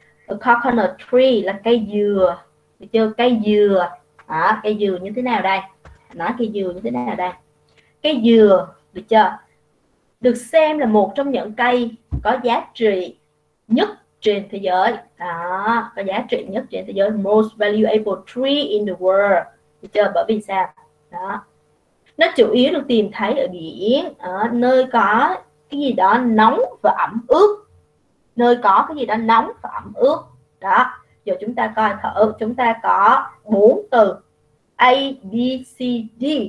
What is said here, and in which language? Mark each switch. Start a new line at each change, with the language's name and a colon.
English: A coconut tree
Vietnamese: là cây dừa. Được chưa? Cây dừa. Đó, cây dừa như thế nào đây? Nói cây dừa như thế nào đây? Cây dừa, được chưa? Được xem là một trong những cây có giá trị nhất trên thế giới. Đó, có giá trị nhất trên thế giới.
English: Most valuable tree in the world.
Vietnamese: Được chưa? Bởi vì sao? Đó. Nó chủ yếu được tìm thấy ở biển, ở nơi có cái gì đó nóng và ẩm ướt. Nơi có cái gì đó nóng và ẩm ướt. Đó, giờ chúng ta coi thử, chúng ta có bốn từ A, B, C, D.